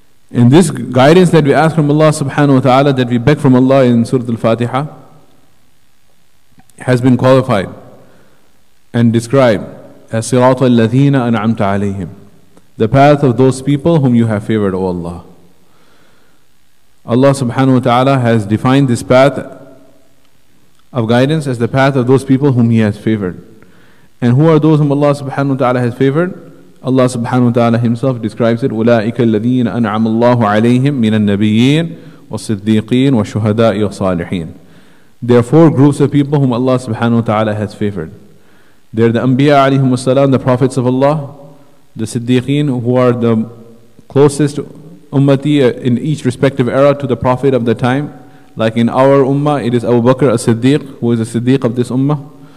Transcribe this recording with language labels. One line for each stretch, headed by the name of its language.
English: And this guidance that we ask from Allah subhanahu wa ta'ala, that we beg from Allah in Surah Al-Fatiha, has been qualified and described as
Arabic: صِرَاطُ الَّذِينَ أَنْعَمْتَ عَلَيْهِمْ,
English: the path of those people whom you have favored, O Allah. Allah subhanahu wa ta'ala has defined this path of guidance as the path of those people whom He has favored. And who are those whom Allah subhanahu wa ta'ala has favored? Allah subhanahu wa ta'ala Himself describes it,
Arabic: أُولَٰئِكَ الَّذِينَ أَنْعَمَ اللَّهُ عَلَيْهِمْ مِنَ النَّبِيِّينَ وَالصِّدِّيقِينَ وَالشُّهَدَاءِ وَالصَّالِحِينَ.
English: There are four groups of people whom Allah subhanahu wa ta'ala has favored. They're the Anbiya alayhim as-salam, the prophets of Allah, the Siddiqeen, who are the closest ummati in each respective era to the Prophet of the time, Like in our ummah, it is Abu Bakr as-Siddiq, who is the Siddiq of this ummah.